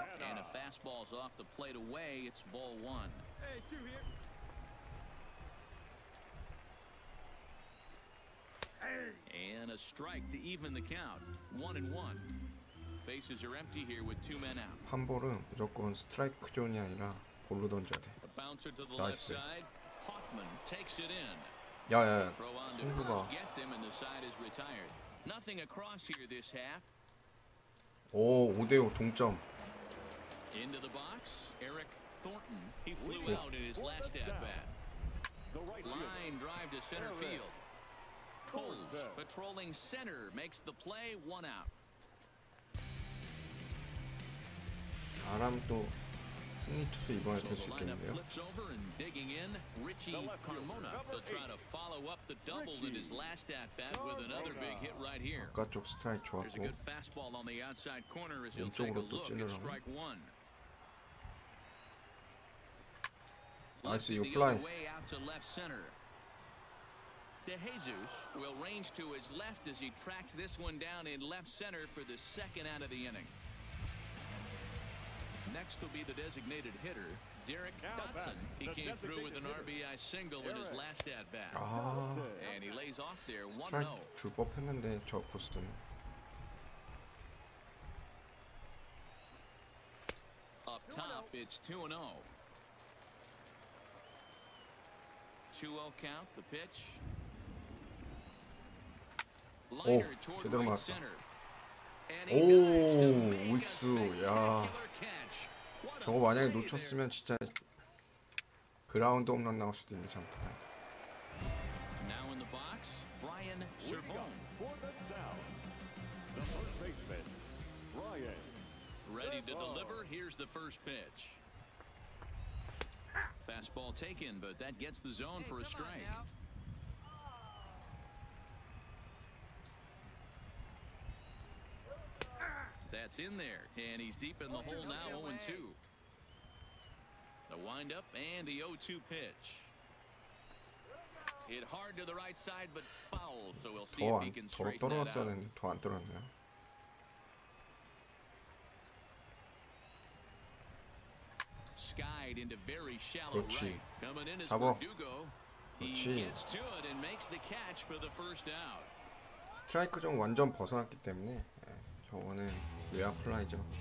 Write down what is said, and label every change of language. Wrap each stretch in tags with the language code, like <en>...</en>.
<en>And a fastball's off the plate away. It's ball one. Hey, two here. And a strike to even the count. One and one. Bases are empty here with two men out.</en> <ko>한 볼은 무조건 스트라이크 존이 아니라 볼로 던져야 돼.</ko> <en>A bouncer to the left side. Hoffman takes it in.</en> <ko>야야. 선수가</ko> <en>gets him and the side is retired. Nothing across here this half.</en> <ko>오, 5대 5 동점.</ko> <en>Into the box. Eric Thornton. He flew out in his last at bat. The right line drive to center field. Tolles, patrolling center, makes the play, one out.</en> <ko>사람 또 승리 투수 이번에 될 수 있겠는데요.</ko> <en>So the lineup flips over and digging in, Richie Carmona. He'll try to follow up the double in his last at-bat with another big hit right here.</en> <ko>바깥쪽 스트라이크 좋았고.</ko> <en>There's a good fastball on the outside corner as he'll take a look at strike one.</en> <ko>나이스, 이거 플라이.</ko> <en>Way out to left center. DeJesus will range to his left as he tracks this one down in left center for the second out of the inning. Next will be the designated hitter, Derek Dotson. He came through with an RBI single in his last at bat. And he lays off there 1-0.</en> <ko>주법 했는데 저 코스는.</ko> <en>Up top, it's 2-0. 2-0 count, the pitch. Liner toward right center. And he dives to make a spectacular catch. What a play there.</en> <ko>진짜 그라운드 홈런 나올 수도 있는 상태다.</ko> <en>Now in the box, Brian Cervone. For the sound, the first baseman, Brian. Ready to deliver, here's the first pitch. Fastball taken, but that gets the zone for a strike. That's in there, and he's deep in the hole now, 0-2. The windup and the 0-2 pitch. Hit hard to the right side, but foul, so we'll see if he can straighten that out. Skied into very shallow right. Coming in is Verdugo. He gets to it and makes the catch for the first out.</en> <ko>스트라이크 좀 완전 벗어났기 때문에 저거는 외야 플라이죠.</ko>